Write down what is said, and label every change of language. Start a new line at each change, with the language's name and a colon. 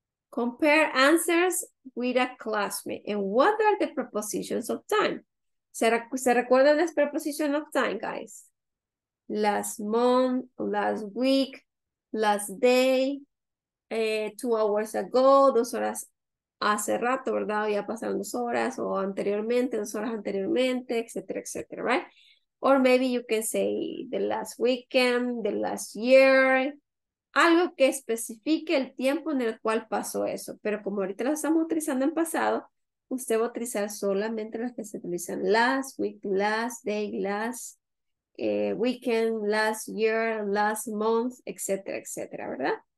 English: Compare answers with a classmate. And what are the prepositions of time?
Spanish: ¿Se recuerdan las
English: prepositions of time, guys? Last month, last week, last day, 2 hours ago,
Spanish: 2 horas hace rato, ¿verdad? Ya pasaron 2 horas, o anteriormente, 2 horas anteriormente, etcétera, etcétera, right?
English: Or maybe you can say the last weekend, the last year.
Spanish: Algo que especifique el tiempo en el cual pasó eso. Pero como ahorita lo estamos utilizando en pasado, usted va a utilizar solamente las que se utilizan
English: last week, last day, last weekend, last year, last month,
Spanish: etcétera, etcétera, ¿verdad?